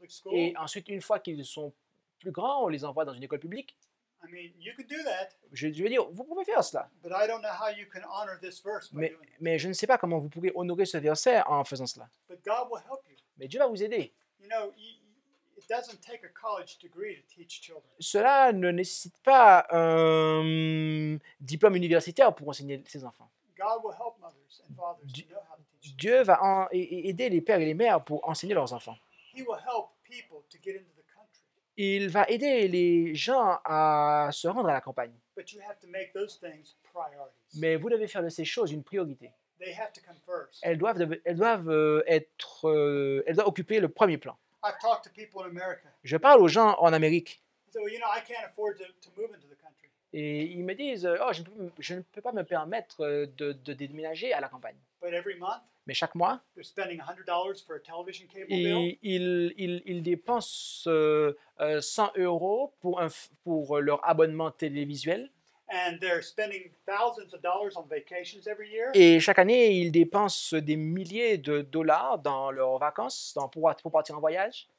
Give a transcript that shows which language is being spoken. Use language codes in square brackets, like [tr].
[fr] Et ensuite, une fois qu'ils sont plus grands, on les envoie dans une école publique. [en] I mean, you could do that. [fr] Je lui ai dit, vous pouvez faire cela. [en] But I don't know how you can honor this verse by doing it. [fr] Mais je ne sais pas comment vous pouvez honorer ce verset en faisant cela. [en] But God will help you. [fr] Mais Dieu va vous aider. [en] You know, it doesn't take a college degree to teach children. [fr] Cela ne nécessite pas un diplôme universitaire pour enseigner ses enfants. [en] God will help mothers and fathers to know how to teach. [fr] Dieu va aider les pères et les mères pour enseigner leurs enfants. [en] He will help people to get into the country. [fr] Il va aider les gens à se rendre à la campagne. [en] But you have to make those things priorities. [fr] Mais vous devez faire de ces choses une priorité. [en] They have to come first. [fr] Elles doivent occuper le premier plan. [en] I've talked to people in America. [fr] Je parle aux gens en Amérique. [en] So, you know, I can't afford to move into the country. [fr] Et ils me disent, oh, je ne peux pas me permettre de déménager à la campagne. [en] But every month, [fr] mais chaque mois, [en] they're spending $100 for a television cable bill. [fr] Ils dépensent 100 € pour leur abonnement télévisuel. [en] And they're spending thousands of dollars on vacations every year. [fr] Et chaque année, ils dépensent des milliers de dollars dans leurs vacances, pour partir en voyage.